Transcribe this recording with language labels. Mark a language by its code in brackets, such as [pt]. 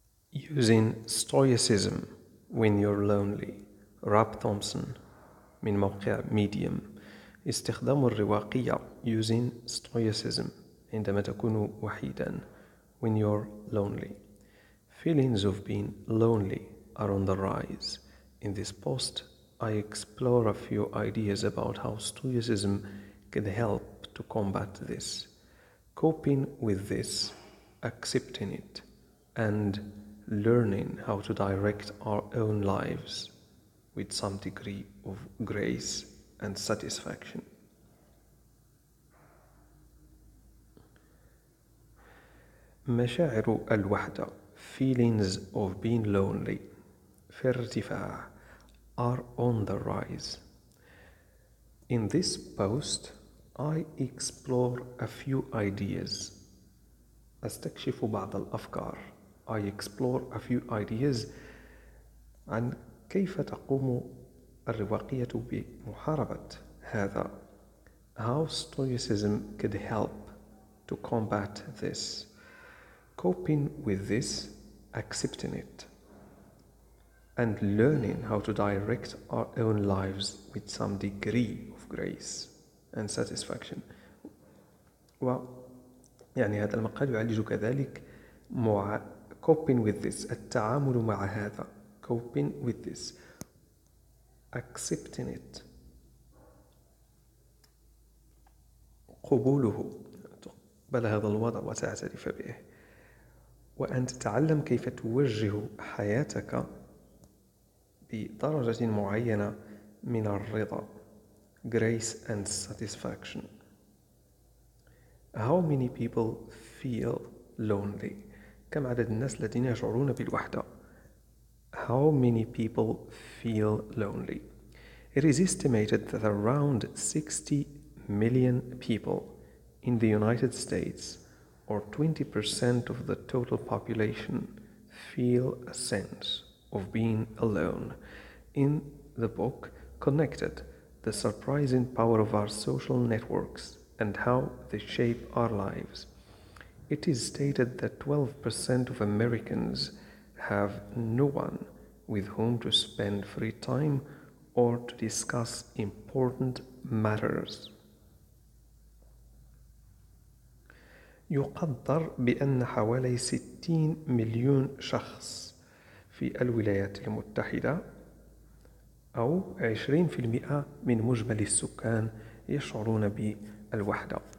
[en] Using stoicism when you're lonely, Rob Thompson, [ar] من موقع ميديوم. استخدام الرواقية [en] using stoicism [ar] عندما تكون وحيدا, [en] when you're lonely. Feelings of being lonely are on the rise. In this post, I explore a few ideas about how stoicism can help to combat this. Coping with this, accepting it, and learning how to direct our own lives with some degree of grace and satisfaction. [ar] مشاعر الوحدة, [en] feelings of being lonely, [ar] في ارتفاع, [en] are on the rise. In this post, I explore a few ideas. [ar] أستكشف بعض الأفكار. [en] I explore a few ideas [ar] عن كيف تقوم الرواقية بمحاربة هذا. [en] How stoicism could help to combat this. Coping with this, accepting it, and learning how to direct our own lives with some degree of grace and satisfaction. [ar] يعني هذا المقال يعالج كذلك [en] coping with this, [ar] التعامل مع هذا. [en] Coping with this, accepting it, [ar] قبوله, تقبل هذا الوضع وتعترف به, وأن تتعلم كيف توجه حياتك بدرجة معينة من الرضا, [en] grace and satisfaction. How many people feel lonely? [ar] كم عدد الناس الذين يشعرون بالوحدة؟ [en] How many people feel lonely? It is estimated that around 60 million people in the United States, or 20% of the total population, feel a sense of being alone. In the book, Connected, The Surprising Power of Our Social Networks and How They Shape Our Lives, it is stated that 12% of Americans have no one with whom to spend free time or to discuss important matters. [ar] يقدر بأن حوالي 60 مليون شخص في الولايات المتحدة أو 20% من مجمل السكان يشعرون بالوحدة.